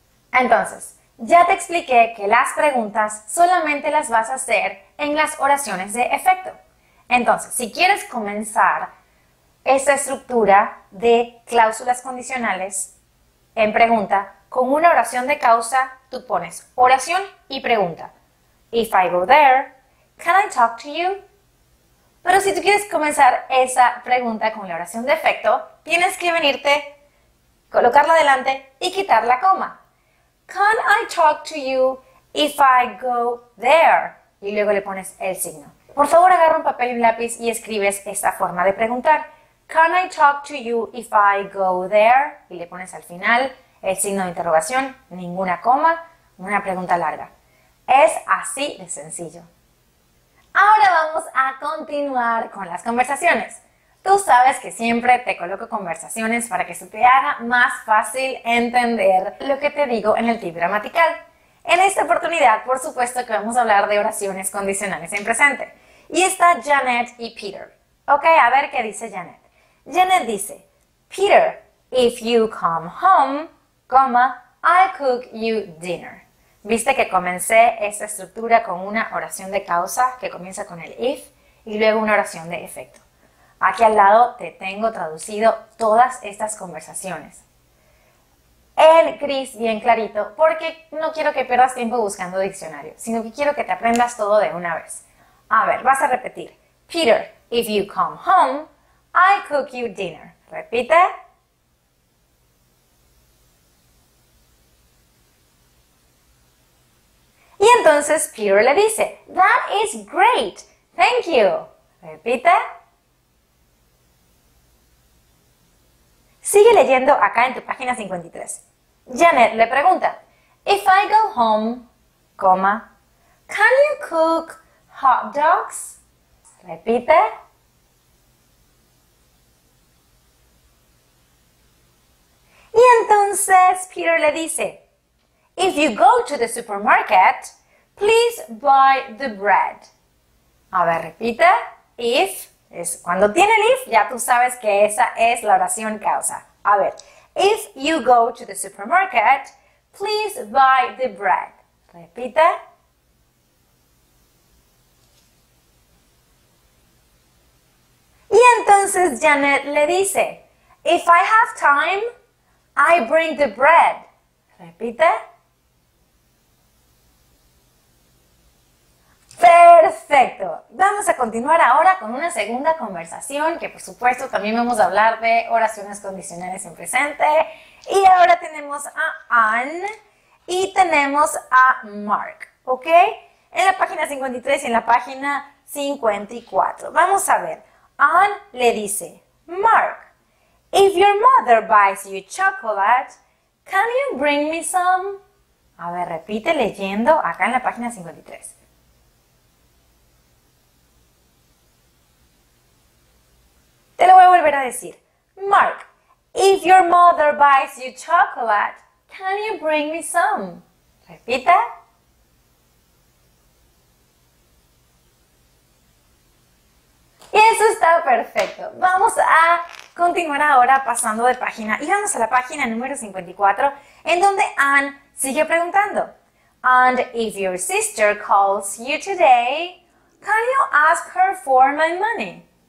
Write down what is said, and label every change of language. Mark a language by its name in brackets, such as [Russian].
[Spanish] Entonces, ya te expliqué que las preguntas solamente las vas a hacer en las oraciones de efecto. Entonces, si quieres comenzar esa estructura de cláusulas condicionales en pregunta con una oración de causa, tú pones oración y pregunta. [English] If I go there, can I talk to you? [Spanish] Pero si tú quieres comenzar esa pregunta con la oración de efecto, tienes que venirte, colocarla adelante y quitar la coma. [English] Can I talk to you if I go there? [Spanish] Y luego le pones el signo. Por favor, agarra un papel y un lápiz y escribes esta forma de preguntar. [English] Can I talk to you if I go there? [Spanish] Y le pones al final el signo de interrogación, ninguna coma, una pregunta larga. Es así de sencillo. Ahora vamos a continuar con las conversaciones. Tú sabes que siempre te coloco conversaciones para que se te haga más fácil entender lo que te digo en el tip gramatical. En esta oportunidad, por supuesto que vamos a hablar de oraciones condicionales en presente. Y está Janet y Peter. Ok, a ver qué dice Janet. Janet dice, [English] Peter, if you come home, comma, I'll cook you dinner. [Spanish] ¿Viste que comencé esta estructura con una oración de causa que comienza con el if y luego una oración de efecto? Aquí al lado te tengo traducido todas estas conversaciones. en gris, bien clarito, porque no quiero que pierdas tiempo buscando diccionario, sino que quiero que te aprendas todo de una vez. A ver, vas a repetir. [English] Peter, if you come home, I cook you dinner. [Spanish] Repite. Y entonces Peter le dice, [English] That is great. Thank you. [Spanish] Repite. Sigue leyendo acá en tu página 53. Janet le pregunta, [English] If I go home, coma, can you cook hot dogs? [Spanish] Repite. Y entonces Peter le dice, [English] If you go to the supermarket, please buy the bread. [Spanish] A ver, repite. If es cuando tiene el if, ya tú sabes que esa es la oración causa. A ver, [English] If you go to the supermarket, please buy the bread. [Spanish] Repite. Entonces Janet le dice, [English] If I have time, I bring the bread. [Spanish] Repite. Perfecto. Vamos a continuar ahora con una segunda conversación que por supuesto también vamos a hablar de oraciones condicionales en presente. Y ahora tenemos a Ann y tenemos a Mark, ¿ok? En la página 53 y en la página 54. Vamos a ver. Ann le dice, [English] Mark, if your mother buys you chocolate, can you bring me some? [Spanish] A ver, repite leyendo acá en la página 53. Te lo voy a volver a decir. [English] Mark, if your mother buys you chocolate, can you bring me some? [Spanish] Repite. Eso está perfecto. Vamos a continuar ahora pasando de página y vamos a la página número 54 en donde Anne sigue preguntando. [English] And if your sister calls you today, can you ask her for my money?